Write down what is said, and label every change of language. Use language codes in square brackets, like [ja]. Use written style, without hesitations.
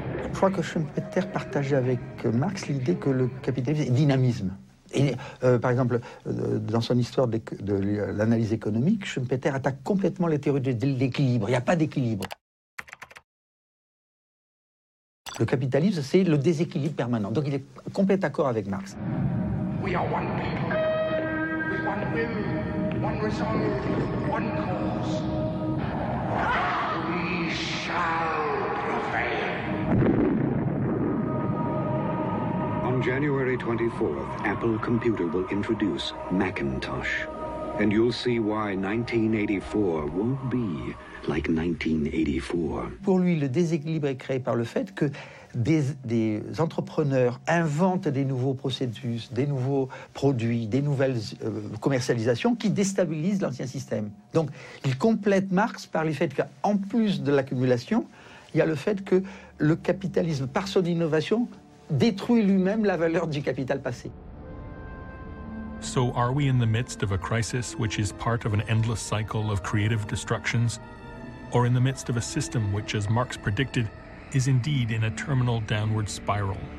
[fr] Je crois que Schumpeter partageait avec Marx l'idée que le capitalisme est dynamisme. Et, par exemple, dans son histoire de l'analyse économique, Schumpeter attaque complètement les théories de l'équilibre. Il n'y a pas d'équilibre. Le capitalisme, c'est le déséquilibre permanent. Donc il est en complet accord avec Marx. [en] We are one people, with one will, one resolve, one cause. We shall prevail. On January 24th, Apple Computer will introduce Macintosh. And you'll see why 1984 won't be like 1984. [fr] Pour lui, le déséquilibre est créé par le fait que des entrepreneurs inventent des nouveaux processus, des nouveaux produits, des nouvelles commercialisations qui déstabilisent l'ancien système. Donc, il complète Marx par le fait qu'en plus de l'accumulation, il y a le fait que le capitalisme, par son innovation, détruit lui-même la valeur du capital passé. [en] So are we in the midst of a crisis which is part of an endless cycle of creative destructions? Or in the midst of a system which, as Marx predicted, is indeed in a terminal downward spiral?